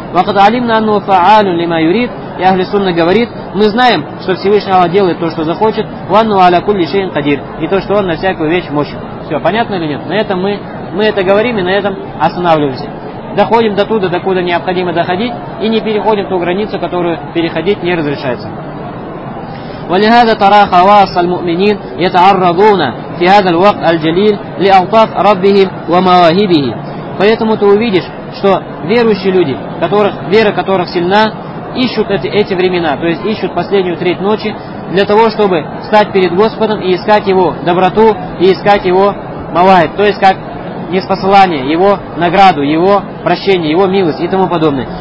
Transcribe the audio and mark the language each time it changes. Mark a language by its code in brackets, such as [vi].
[ar] «Вакад алимна анну фаалю лима юрид», [ru] и Ахли Сунна говорит, мы знаем, что Всевышний Аллах делает то, что захочет, [ar] ванну аля кулли шейн кадир, [ru] и то, что он на всякую вещь мощен. Все, понятно или нет? На этом мы это говорим и на этом останавливаемся. Доходим до туда, докуда необходимо доходить, и не переходим ту границу, которую переходить не разрешается. [ar] ولهذا ترى خواص المؤمنين يتعرضون في هذا الوقت الجليل لألطاف ربهم ومواهبه. [ru] Поэтому ты увидишь, что верующие люди, которых, вера которых сильна, ищут эти времена, то есть ищут последнюю треть ночи для того, чтобы встать перед Господом и искать Его доброту, и искать Его мавахиб, то есть как ниспосылание, Его награду, Его прощение, Его милость и тому подобное.